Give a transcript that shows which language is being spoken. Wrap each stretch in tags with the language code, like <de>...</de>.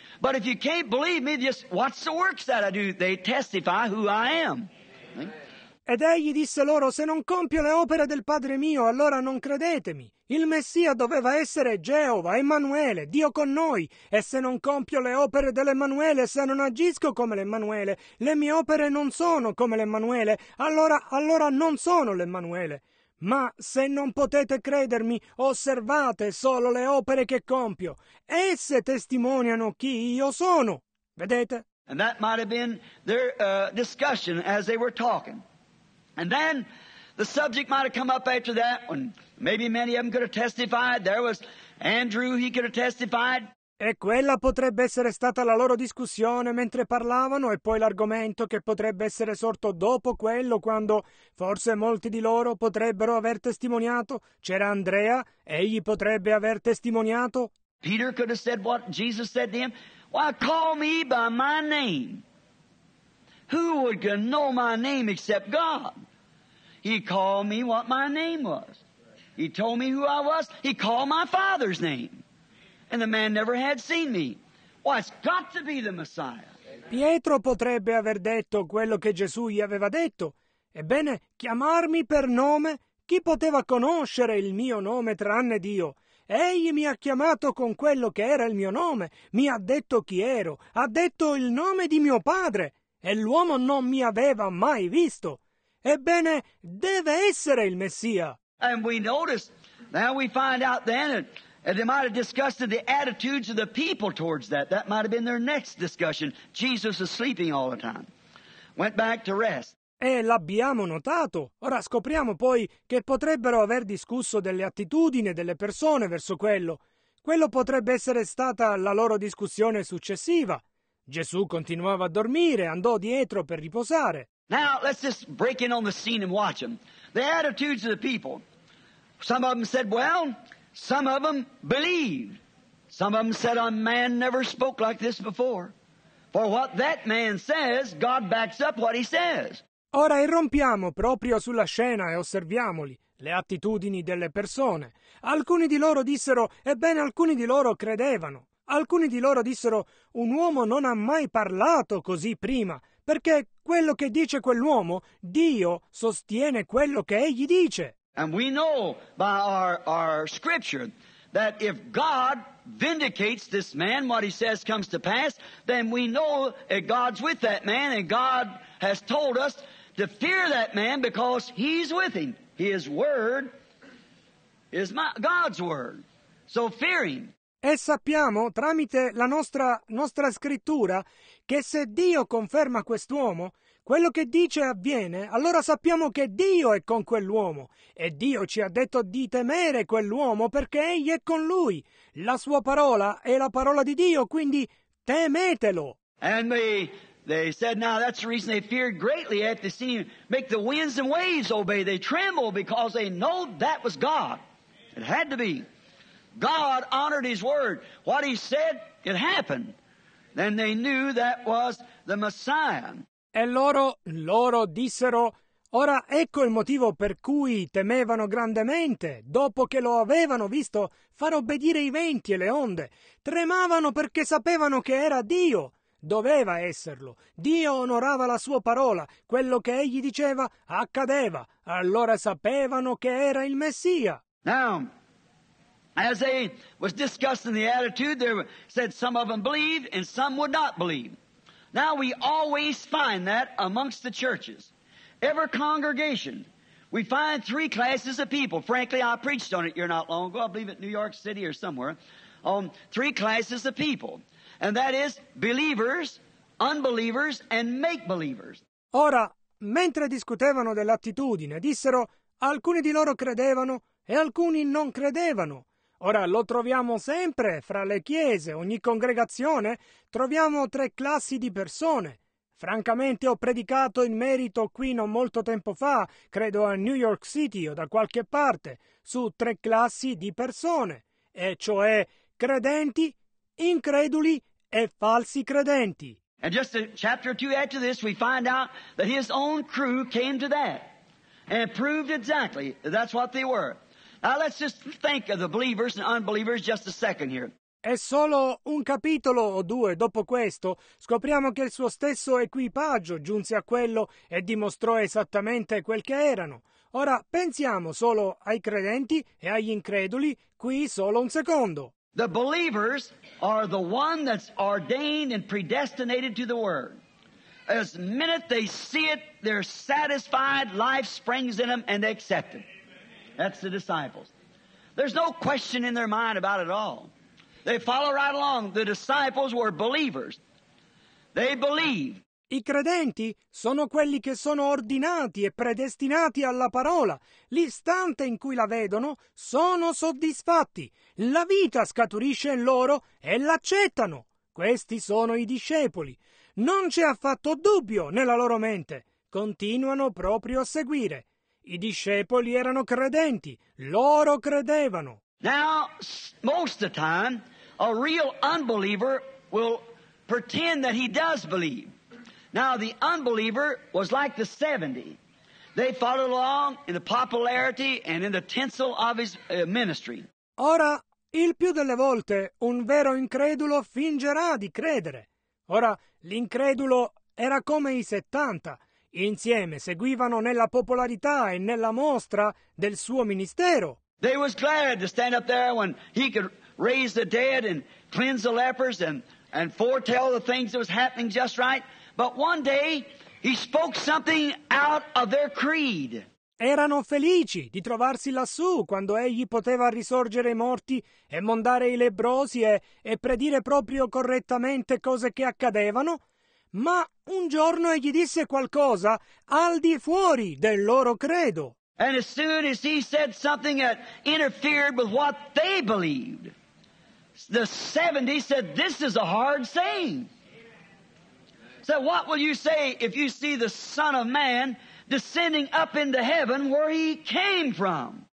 <en>But if you can't believe me, just watch the works that I do. They testify who I am.</en> <it>Ed egli disse loro, se non compio le opere del Padre mio, allora non credetemi. Il Messia doveva essere Geova, Emanuele, Dio con noi. E se non compio le opere dell'Emanuele, se non agisco come l'Emanuele, le mie opere non sono come l'Emanuele, allora non sono l'Emanuele. Ma se non potete credermi, osservate solo le opere che compio. Esse testimoniano chi io sono. Vedete?</it> <en>And that might have been their discussion as they were talking. And then the subject might have come up after that, and maybe many of them could have testified. There was Andrew, he could have testified.</en> <it>E quella potrebbe essere stata la loro discussione mentre parlavano, e poi l'argomento che potrebbe essere sorto dopo quello, quando forse molti di loro potrebbero aver testimoniato. C'era Andrea, egli potrebbe aver testimoniato.</it> <en>Peter could have said what Jesus said to him. Why, call me by my name. Who would know my name except God? He called me what my name was. He told me who I was. He called my Father's name. And the man never had seen me. Well, it's got to be the Messiah.</en> <it>Pietro potrebbe aver detto quello che Gesù gli aveva detto. Ebbene, chiamarmi per nome? Chi poteva conoscere il mio nome tranne Dio? Egli mi ha chiamato con quello che era il mio nome. Mi ha detto chi ero. Ha detto il nome di mio Padre. E l'uomo non mi aveva mai visto. Ebbene, deve essere il Messia.</it> <en>And we notice, now we find out then, and they might have discussed the attitudes of the people towards that. That might have been their next discussion. Jesus is sleeping all the time. Went back to rest.</en> <it>E l'abbiamo notato. Ora scopriamo poi che potrebbero aver discusso delle attitudini delle persone verso quello. Quello potrebbe essere stata la loro discussione successiva. Gesù continuava a dormire, andò dietro per riposare.</it> <en>Now, let's just break in on the scene and watch them. The attitudes of the people. Some of them said, well, some of them believed. Some of them said, a man never spoke like this before. For what that man says, God backs up what he says.</en> <it>Ora irrompiamo proprio sulla scena e osserviamoli, le attitudini delle persone. Alcuni di loro dissero, ebbene, alcuni di loro credevano. Alcuni di loro dissero, un uomo non ha mai parlato così prima, perché quello che dice quell'uomo, Dio sostiene quello che egli dice.</it> <en>And we know by our scripture that if God vindicates this man, what he says comes to pass, then we know that God's with that man, and God has told us to fear that man because he's with him. His word is God's word. So fear him.</en> <it>E sappiamo, tramite la nostra scrittura, che se Dio conferma quest'uomo, quello che dice avviene, allora sappiamo che Dio è con quell'uomo. E Dio ci ha detto di temere quell'uomo perché egli è con lui. La sua parola è la parola di Dio, quindi temetelo.</it> <en>And they said, now that's the reason they feared greatly at the sea, make the winds and waves obey. They tremble because they know that was God. It had to be. God honored his word. What he said, it happened. Then they knew that was the Messiah.</en> <it>E loro dissero, ora ecco il motivo per cui temevano grandemente, dopo che lo avevano visto far obbedire i venti e le onde. Tremavano perché sapevano che era Dio. Doveva esserlo. Dio onorava la sua parola. Quello che egli diceva accadeva. Allora sapevano che era il Messia.</it> <en>Now, as they was discussing the attitude, they said some of them believed and some would not believe. Now we always find that amongst the churches. Every congregation, we find three classes of people. Frankly, I preached on it here not long ago. I believe at New York City or somewhere. Three classes of people. And that is believers, unbelievers, and make-believers.</en> <it>Ora, mentre discutevano dell'attitudine, dissero alcuni di loro credevano e alcuni non credevano. Ora, lo troviamo sempre fra le chiese, ogni congregazione, troviamo tre classi di persone. Francamente, ho predicato in merito qui non molto tempo fa, credo a New York City o da qualche parte, su tre classi di persone, e cioè credenti, increduli e falsi credenti.</it> <en>And just a chapter or two after this, we find out that his own crew came to that and proved exactly that's what they were. Now let's just think of the believers and unbelievers just a second here.</en> <it>È solo un capitolo o due dopo questo scopriamo che il suo stesso equipaggio giunse a quello e dimostrò esattamente quel che erano. Ora pensiamo solo ai credenti e agli increduli, qui solo un secondo.</it> <en>The believers are the one that's ordained and predestinated to the word. As minute they see it, they're satisfied, life springs in them and they accept it. That's the disciples. There's no question in their mind about it all. They follow right along. The disciples were believers. They believe.</en> <it>I credenti sono quelli che sono ordinati e predestinati alla parola. L'istante in cui la vedono, sono soddisfatti. La vita scaturisce in loro e l'accettano. Questi sono i discepoli. Non c'è affatto dubbio nella loro mente. Continuano proprio a seguire. I discepoli erano credenti. Loro credevano.</it> <en>Now, most of the time, a real unbeliever will pretend that he does believe. Now, the unbeliever was like the 70. They followed along in the popularity and in the tinsel of his ministry.</en> <it>Ora, il più delle volte, un vero incredulo fingerà di credere. Ora, l'incredulo era come i 70. Insieme seguivano nella popolarità e nella mostra del suo ministero.</it> <en>They was glad to stand up there when he could raise the dead and cleanse the lepers and foretell the things that was happening just right. But one day he spoke something out of their creed.</en> <it>Erano felici di trovarsi lassù quando egli poteva risorgere i morti e mondare i lebbrosi e predire proprio correttamente cose che accadevano. Ma un giorno egli disse qualcosa al di fuori del loro credo.</it> <en>And as soon as he said something that interfered with what they believed, the 70 said, "This is a hard saying." So what will you say if you see the Son of Man descending up into heaven where he came from?</en>